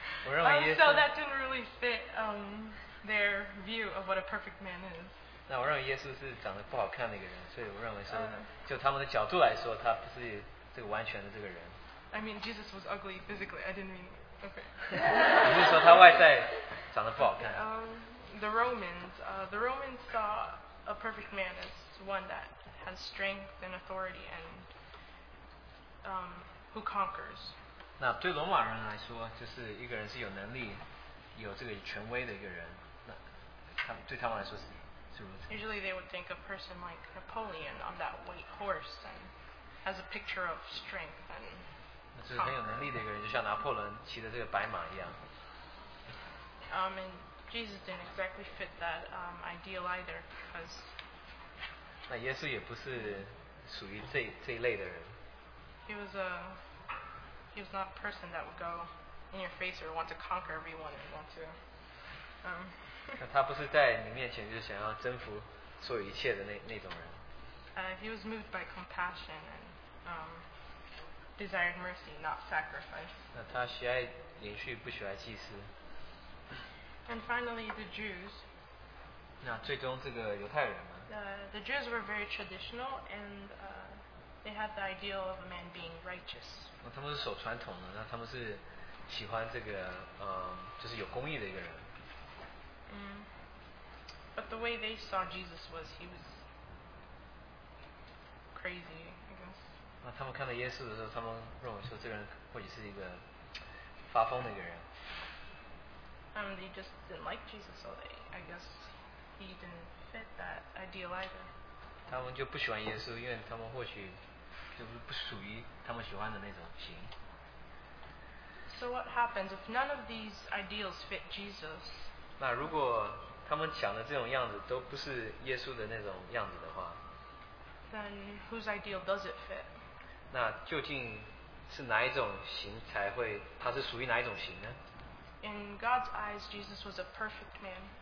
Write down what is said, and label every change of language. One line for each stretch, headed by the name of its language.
English: So that didn't really fit their view of what a perfect man is.
Chinese: 那我认为耶稣是长得不好看的一个人，所以我认为说就他们的角度来说，他不是这个完全的这个人。
English: I mean, Jesus was ugly physically. I didn't mean. Okay.
Chinese: 你是说他外在长得不好看？
English: The Romans saw a perfect man as one that has strength and authority and who conquers.
Chinese: 那对罗马人来说，就是一个人是有能力、有这个权威的一个人。那他对他们来说是。
English: Usually they would think a person like Napoleon on that white horse and has a picture of strength and and Jesus didn't exactly fit that ideal either because
Chinese: 那耶稣也不是属于这一类的人。
English: He was not a person that would go in your face or want to conquer everyone and want to
Chinese: 他不是在你面前就想要征服所有一切的那种人。
English: He was moved by compassion and desired mercy, not sacrifice.
Chinese: 那他喜爱连续，不喜爱祭司。
English: And finally, the Jews.
Chinese: 那最终这个犹太人呢？
English: The Jews were very traditional, and they had the ideal of a man being righteous.
Chinese: 那他们是守传统的，那他们是喜欢这个就是有公义的一个人。
English: But the way they saw Jesus was he was crazy, I guess.
Chinese: 那他们看到耶稣的时候，他们认为说这个人或许是一个发疯的一个人。
English: They just didn't like Jesus, so they, I guess, he didn't fit that ideal either.
Chinese: 他们就不喜欢耶稣，因为他们或许就是不属于他们喜欢的那种型。
English: So what happens if none of these ideals fit Jesus?
Chinese: 那如果他们想的这种样子都不是耶稣的那种样子的话，
English: Then whose ideal does it fit?
Chinese: 那究竟是哪一种型才会，他是属于哪一种型呢？
English: In God's eyes, Jesus was a perfect man.